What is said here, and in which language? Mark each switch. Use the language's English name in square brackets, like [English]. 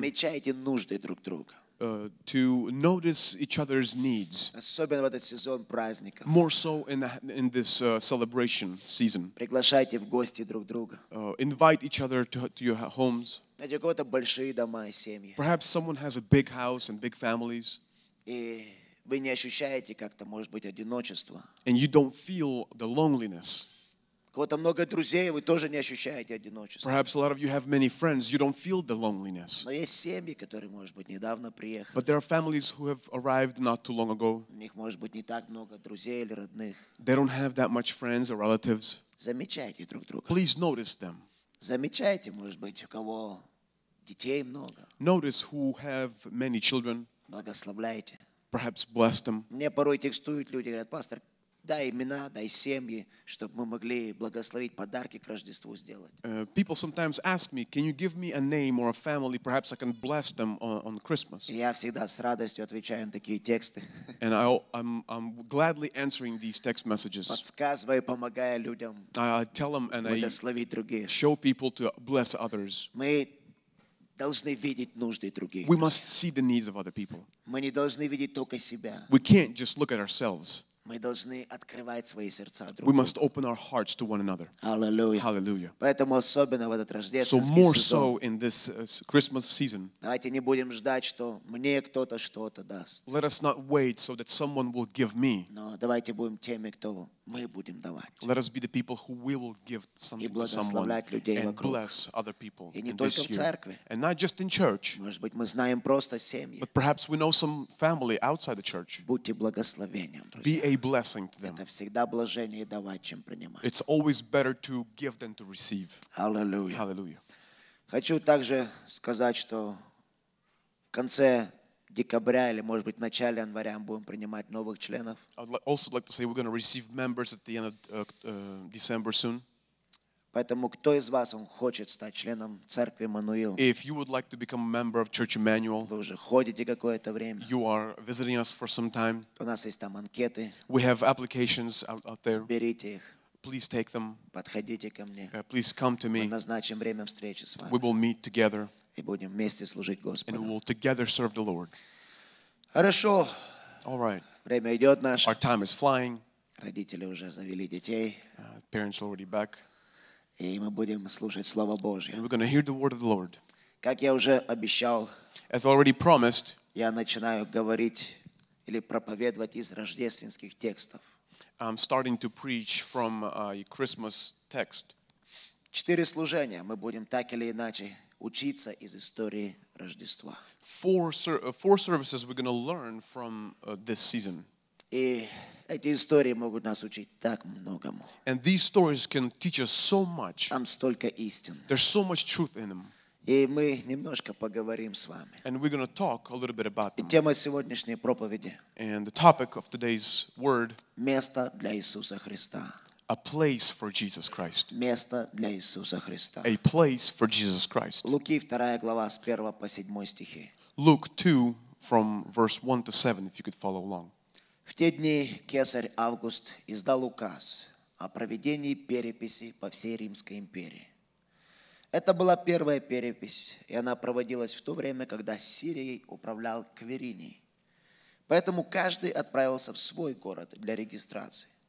[Russian] Замечайте нужды друг друга. [English] To notice each other's needs. [Russian] Особенно в этот сезон праздников. [English] More so in this celebration season. [Russian] Приглашайте в гости друг друга. [English] Invite each other to your homes. [Russian] Знаете, у кого-то большие дома и семьи. [English] Perhaps someone has a big house and big families. [Russian] И вы не ощущаете как-то, может быть, одиночество. [English] And you don't feel the loneliness. [Russian] У кого-то много друзей, вы тоже не ощущаете одиночества. [English] Perhaps a lot of you have many friends, you don't feel the loneliness. [Russian] Но есть семьи, которые, может быть, недавно приехали. [English] But there are families who have arrived not too long ago. [Russian] У них, может быть, не так много друзей или родных. [English] They don't have that much friends or relatives. [Russian] Замечайте друг друга. [English] Please notice them. [Russian] Замечайте, может быть, у кого детей много. [English] Notice who have many children. [Russian] Благословляйте. [English] Perhaps bless them. [Russian] Мне порой текстуют люди, говорят, пастор, дай имена, дай семьи, чтобы мы могли благословить подарки к Рождеству сделать. [English] People sometimes ask me, can you give me a name or a family? Perhaps I can bless them on Christmas. [Russian] Я всегда с радостью отвечаю на такие тексты. [English] And I'm gladly answering these text messages. [Russian] Подсказывая, помогая людям. [English] I tell them and [Russian] благословить других. [English] Show people to bless others. [Russian] Мы должны видеть нужды других. [English] We must see the needs of other people. [Russian] Мы не должны видеть только себя. [English] We can't just look at ourselves. [Russian] Мы должны открывать свои сердца друг другу. [English] We must open our hearts to one another. Hallelujah. Hallelujah. [Russian] Поэтому особенно в этот рождественский сезон. [English] So more so in this Christmas season. [Russian] Давайте не будем ждать, что мне кто-то что-то даст. [English] Let us not wait so that someone will give me. [Russian] Но давайте будем теми, кто мы будем давать. [English] Let us be the people who we will give something to someone. [Russian] И благословлять людей вокруг. [English] And bless other people. [Russian] И не только в церкви. [English] And not just in church. [Russian] Может быть, мы знаем просто семьи. [English] But perhaps we know some family outside the church. [Russian] Будьте благословением, друзья. [English] Blessing to them. [Russian] Это всегда блаженнее давать, чем принимать. [English] It's always better to give than to receive. Hallelujah. Hallelujah. [Russian] Хочу также сказать, что в конце декабря или, может быть, в начале января мы будем принимать новых членов. [English] I'd also like to say we're going to receive members at the end of December soon. [Russian] Поэтому кто из вас он хочет стать членом церкви Эммануил? [English] If you would like to become a member of Church Emmanuel, [Russian] вы уже ходите какое-то время. [English] You are visiting us for some time. [Russian] У нас есть там анкеты. [English] We have applications out there. [Russian] Берите их. [English] Please take them. [Russian] Подходите ко мне. [English] Please come to me. [Russian] Мы назначим время встречи с вами. [English] We will meet together. [Russian] И будем вместе служить Господу. [English] And we will together serve the Lord. [Russian] Хорошо. [English] All right. [Russian] Время идет наше. [English] Our time is flying. [Russian] Родители уже завели детей. [English] Parents are already back. [Russian] И мы будем слушать Слово Божье. [English] And we're going to hear the word of the Lord. [Russian] Как я уже обещал, [English] as already promised, [Russian] я начинаю говорить или проповедовать из рождественских текстов. [English] I'm starting to preach from a Christmas text. [Russian] Четыре служения мы будем так или иначе учиться из истории Рождества. [English] Four services we're going to learn from this season. [Russian] И эти истории могут нас учить так многому. [English] And these stories can teach us so much. [Russian] Там столько истин. [English] There's so much truth in them. [Russian] И мы немножко поговорим с вами. [English] And we're going to talk a little bit about them. [Russian] И тема сегодняшней проповеди. [English] And the topic of today's word. [Russian] Место для Иисуса Христа. [English] A place for Jesus Christ. [Russian] Место для Иисуса Христа. [English] A place for Jesus Christ. [Russian] Луки 2 глава с 1 по 7 стихи. [English] Luke 2 from verse 1 to 7, if you could follow along. [Russian] В те дни кесарь Август издал указ о проведении переписи по всей Римской империи. Это была первая перепись, и она проводилась в то время, когда Сирией управлял Квириний. Поэтому каждый отправился в свой город для регистрации.